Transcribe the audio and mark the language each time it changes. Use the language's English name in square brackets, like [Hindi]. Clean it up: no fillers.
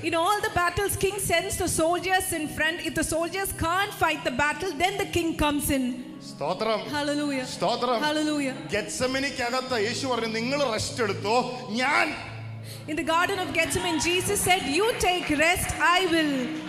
[English] In all the battles, king sends the soldiers in front. If the soldiers can't fight the battle, then the king comes in. [Malayalam] സ്തോത്രം. [English] Hallelujah. [Malayalam] സ്തോത്രം. [English] Hallelujah. [Malayalam] ഗെത്സമനിക്കകത്ത് യേശു പറഞ്ഞു, നിങ്ങൾ rest എടുത്തോ, ഞാൻ. [English] In the garden of Gethsemane, Jesus said, you take rest, I will.